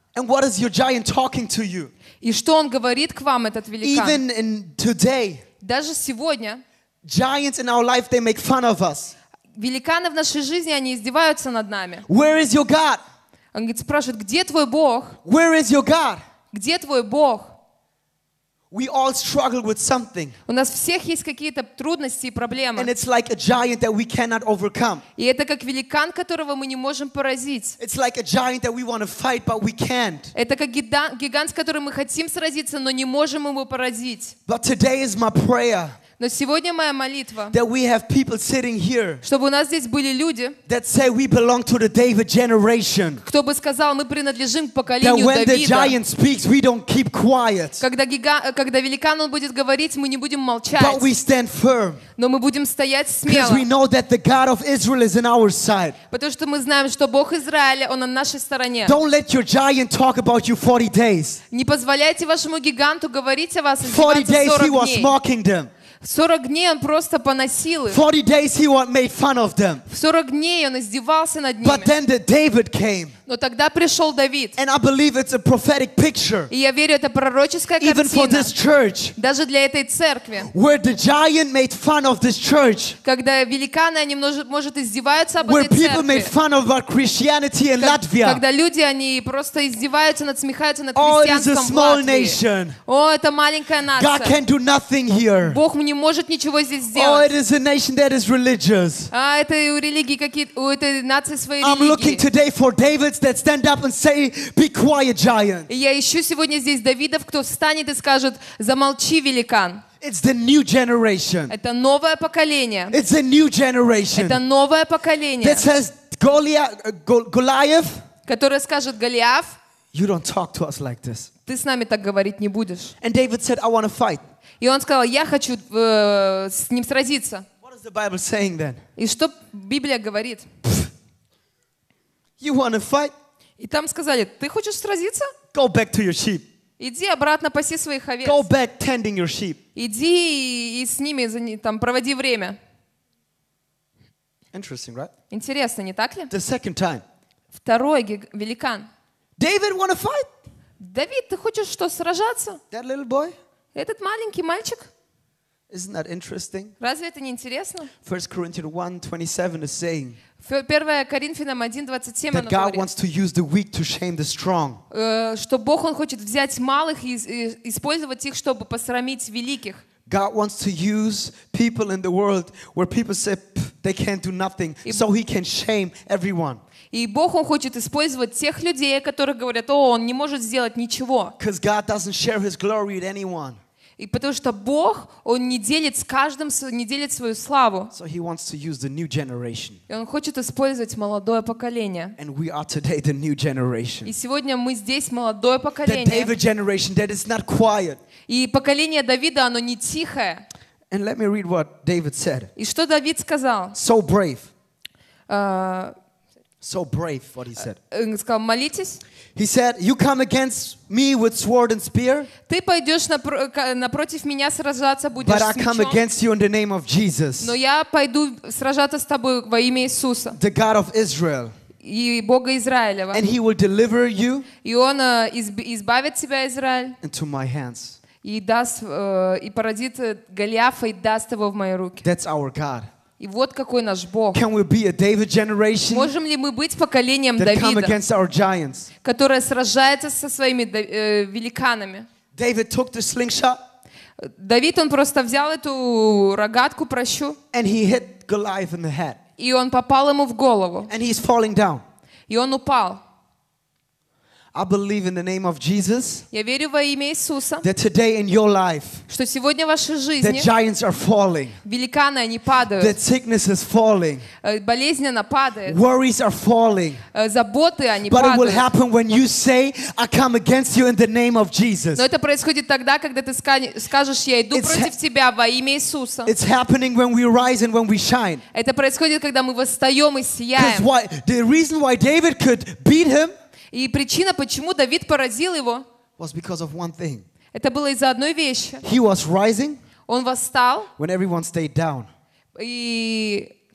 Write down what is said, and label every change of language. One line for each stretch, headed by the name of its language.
English: And what is your giant talking to you?
Russian: И что он говорит к вам, этот великан?
English: Even in today,
Russian: даже сегодня
English: Giants in our life, they make fun of us.
Russian: Великаны в нашей жизни, они издеваются над нами.
English: Where is your God?
Russian: Он спрашивает, где твой Бог?
English: Where is your God?
Russian: Где твой Бог?
English: We all struggle with something.
Russian: У нас всех есть какие-то трудности и проблемы.
English: And it's like a giant that we cannot overcome.
Russian: И это как великан, которого мы не можем поразить.
English: It's like a giant that we want to fight, but we can't.
Russian: Это как гигант, с которым мы хотим сразиться, но не можем его поразить.
English: But today is my prayer.
Russian: Но сегодня моя молитва,
English: that we have people sitting here,
Russian: чтобы у нас здесь были люди,
English: that say we belong to the David generation,
Russian: кто бы сказал, мы принадлежим к поколению Давида,
English: that when the giant speaks, we don't keep quiet.
Russian: Когда великан он будет говорить, мы не будем молчать,
English: but we stand firm,
Russian: но мы будем стоять смело,
English: because we know that the God of Israel is on our side.
Russian: Потому что мы знаем, что Бог Израиля, он на нашей стороне.
English: Don't let your giant talk about you 40 days.
Russian: Не позволяйте вашему гиганту говорить о вас
English: 40 days he was mocking them.
Russian: 40 дней он просто поносил их.
English: 40 days he made fun of them.
Russian: 40 дней он издевался над ними.
English: But then the David came.
Russian: Но тогда пришел Давид.
English: And I believe it's a prophetic picture.
Russian: И я верю, это пророческая картина.
English: Even for this church.
Russian: Даже для этой церкви.
English: Where the giant made fun of this church.
Russian: Когда великаны, они, может, издеваются об этой церкви.
English: Where people made fun of our Christianity in Latvia.
Russian: Когда люди, они просто издеваются, насмехаются над христианством в Латвии.
English: Oh, it's a small nation.
Russian: О, это маленькая нация.
English: God can do nothing here.
Russian: Бог не может ничего здесь сделать.
English: Oh, it is a nation that is religious.
Russian: А это у религии какие-то, у этой нации свои религии.
English: I'm looking today for David that stand up and say, "Be quiet, giant."
Russian: Я ищу сегодня здесь Давидов, кто встанет и скажет, "Замолчи, великан."
English: It's the new generation.
Russian: Это новое поколение.
English: It's a new generation.
Russian: Это новое поколение.
English: That says, "Goliath."
Russian: Который скажет Голиаф.
English: You don't talk to us like this.
Russian: Ты с нами так говорить не будешь.
English: And David said, "I want to fight."
Russian: И он сказал, я хочу с ним сразиться.
English: What is the Bible saying then?
Russian: И что Библия говорит?
English: You want to fight?
Russian: И там сказали, ты хочешь сразиться?
English: Go back to your sheep.
Russian: Иди обратно паси своих овец.
English: Go back tending your sheep.
Russian: Иди и с ними там проводи время.
English: Interesting, right?
Russian: Интересно, не так ли?
English: The second time.
Russian: Второй великан.
English: David want to fight?
Russian: Давид, ты хочешь что, сражаться?
English: That little boy?
Russian: Этот маленький мальчик?
English: Isn't that interesting?
Russian: Разве это не интересно?
English: 1 Corinthians 1:27 is saying.
Russian: 1 Коринфянам 1:27
English: That God wants to use the weak to shame the strong.
Russian: Что Бог он хочет взять малых и использовать их, чтобы посрамить великих.
English: God wants to use people in the world where people say they can't do nothing, so He can shame everyone.
Russian: И Бог он хочет использовать тех людей, которые говорят, о, он не может сделать ничего.
English: Because God doesn't share His glory with anyone.
Russian: И потому что Бог, Он не делит с каждым, не делит свою славу.
English: So he wants to use the new generation.
Russian: И Он хочет использовать молодое поколение.
English: And we are today the new generation.
Russian: И сегодня мы здесь молодое поколение.
English: The David generation that is not quiet.
Russian: И поколение Давида, оно не тихое.
English: And let me read what David said.
Russian: И что Давид сказал?
English: So brave. So brave, what he said.
Russian: Сказал, молитесь.
English: He said, "You come against me with sword and spear."
Russian: Ты пойдешь напротив меня сражаться будешь с мечом.
English: But I come against you in the name of Jesus.
Russian: Но я пойду сражаться с тобой во имя Иисуса.
English: The God of Israel.
Russian: И Бога Израилева.
English: And He will deliver you.
Russian: И Он избавит тебя, Израиль.
English: Into my hands.
Russian: И даст и породит Голиафа и даст его в мои руки.
English: That's our God.
Russian: И вот какой наш Бог.
English: Can we be a David generation?
Russian: Можем ли мы быть поколением Давида,
English: come against our giants?
Russian: Которое сражается со своими великанами?
English: David took the slingshot.
Russian: Давид, он просто взял эту рогатку, прощу.
English: And he hit Goliath in the head.
Russian: И он попал ему в голову.
English: And he's falling down.
Russian: И он упал.
English: I believe in the name of Jesus.
Russian: Я верю во имя Иисуса.
English: That today in your life.
Russian: Что сегодня в вашей жизни.
English: That giants are falling.
Russian: Великаны, они падают.
English: That sickness is falling.
Russian: Болезнь, она падает.
English: Worries are falling.
Russian: Заботы, они падают.
English: But it will happen when you say, "I come against you in the name of Jesus."
Russian: Но это происходит тогда, когда ты скажешь, я иду против тебя во имя Иисуса.
English: It's happening when we rise and when we shine.
Russian: Это происходит, когда мы восстаем и сияем.
English: Because why? The reason why David could beat him.
Russian: И причина, почему Давид поразил его,
English: was because of one thing.
Russian: Это было из-за одной вещи.
English: He was rising.
Russian: Он восстал.
English: When everyone stayed down.
Russian: И